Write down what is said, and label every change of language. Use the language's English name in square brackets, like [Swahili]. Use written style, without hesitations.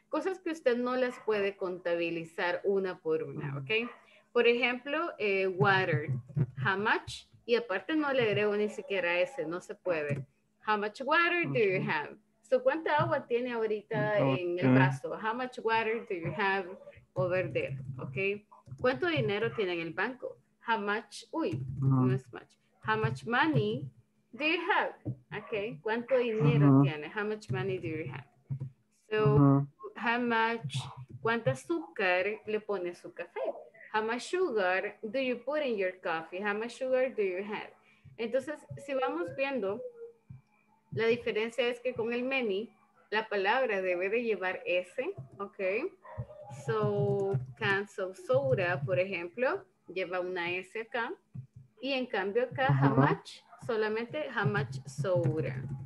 [Spanish] Cosas que usted no las puede contabilizar una por una, ¿ok? Por ejemplo, water. How much? Y aparte no le agrego ni siquiera ese, no se puede. [English] How much water do you have? [Spanish] So, ¿cuánta agua tiene ahorita en el vaso? [English] How much water do you have over there? [Spanish] Okay. ¿Cuánto dinero tiene en el banco? [English] How much? [Spanish] Uy, no es [English] much. How much money do you have? Okay. [Spanish] ¿Cuánto dinero tiene? [English] How much money do you have? So, how much, [Spanish] ¿cuánta azúcar le pone a su café? [English] How much sugar do you put in your coffee? How much sugar do you have? [Spanish] Entonces, si vamos viendo, la diferencia es que con el many, la palabra debe de llevar S, ¿ok? So, [English] cans of soda, [Spanish] por ejemplo, lleva una S acá. Y en cambio acá, how much, solamente how much soda.